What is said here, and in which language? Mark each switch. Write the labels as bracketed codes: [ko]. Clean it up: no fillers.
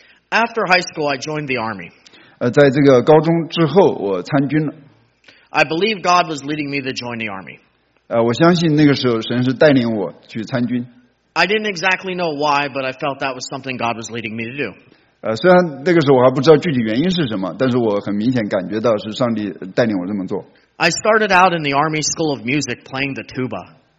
[en] After high school, I joined the army. [zh] 在这个高中之后，我参军了。 [en] I believe God was leading me to join the army. [zh] 我相信那个时候神是带领我去参军。 [en] I didn't exactly know why, but I felt that was something God was leading me to do. [zh] 虽然那个时候我还不知道具体原因是什么，但是我很明显感觉到是上帝带领我这么做。 [en] I started out in the Army School of Music playing the tuba.